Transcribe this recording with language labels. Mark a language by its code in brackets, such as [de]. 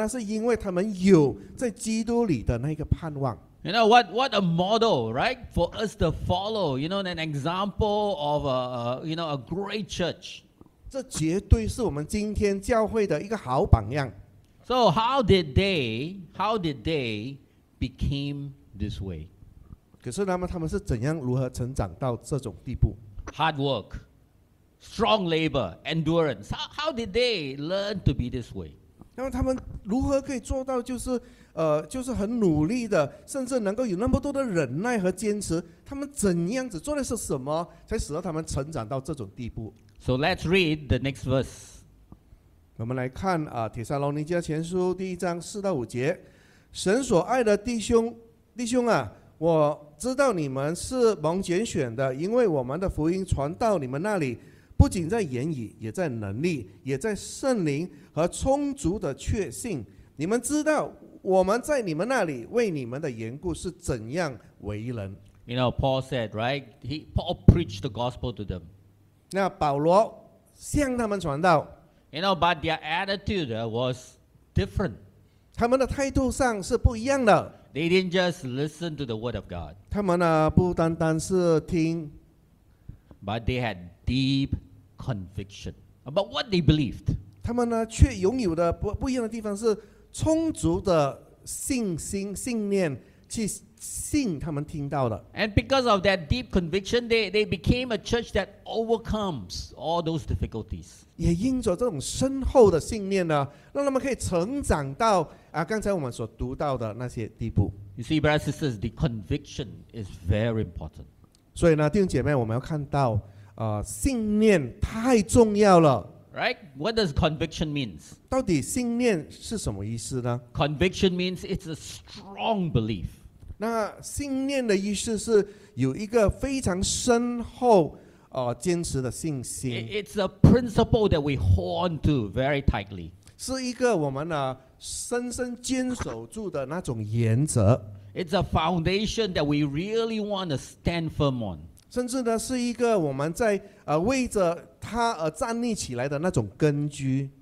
[zh] 那是因为他们有在基督里的那个盼望。 [en] You know what a model, right, for us to follow. You know, an example of a great church. [zh] 这绝对是我们今天教会的一个好榜样。 [en] So how did they became this way? [zh] 可是那么他们是怎样如何成长到这种地步 [en] ？Hard work, strong labor, endurance. How did they learn to be this way? [zh] 那么他们如何可以做到就是很努力的，甚至能够有那么多的忍耐和坚持？他们怎样子做的是什么，才使得他们成长到这种地步 [en] ？So let's read the next verse. [zh] 我们来看帖撒罗尼迦前书第一章四到五节，神所爱的弟兄啊。我知道你们是蒙拣选的，因为我们的福音传到你们那里，不仅在言语，也在能力，也在圣灵和充足的确信。你们知道我们在你们那里为你们的缘故是怎样为人。 [en] You know, Paul said, right? Paul preached the gospel to them. [zh] 那保罗向他们传道。 [en] You know, but their attitude was different. [zh] 他们的态度上是不一样的。 [en] They didn't just listen to the word of God. [zh] 他们呢不单单是听 [en] ，but they had deep conviction about what they believed. [zh] 他们呢却拥有的不一样的地方是充足的信心信念去信他们听到的。 [en] And because of that deep conviction, they became a church that overcomes all those difficulties. [zh] 也因着这种深厚的信念呢，让他们可以成长到。刚才我们所读到的那些地步 [en] ，You see, brothers and sisters, the conviction is very important. [zh] 所以呢，弟兄姐妹，我们要看到，信念太重要了 [en] ，Right? What does conviction means? [zh] 到底信念是什么意思呢 [en] ？Conviction means it's a strong belief. [zh] 那信念的意思是有一个非常深厚、坚持的信心。 [en] It's a principle that we hold on to very tightly. [zh] 是一个我们呢。深深坚守住的那种原则 [en] ，It's a foundation that we really want to stand firm on。 [zh] 甚至呢，是一个我们在为着它而站立起来的那种根据。